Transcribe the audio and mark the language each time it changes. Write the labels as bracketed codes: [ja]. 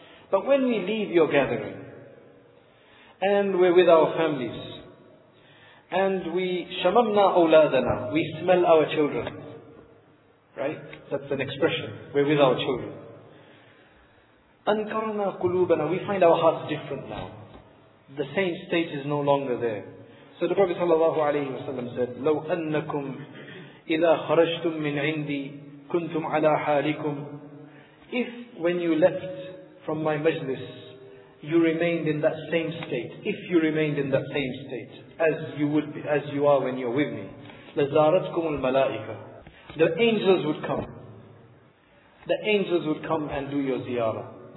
[en] But when we leave your gathering, and we're with our families, and we [ar] shamamna awladana, [en] we smell our children. Right? That's an expression. We're with our children. [ar] Ankarna qulubana, [en] we find our hearts different now. The same state is no longer there. So the Prophet sallallahu alayhi wa sallam said, [ar] لو أنكم إذا خرجتم من عندي كنتم على حالكم. [en] If when you left from my majlis, you remained in that same state, if you remained in that same state, as you would be, as you are when you're with me, [ar] لزارتكم الملائكة. [en] The angels would come. The angels would come and do your ziyarah.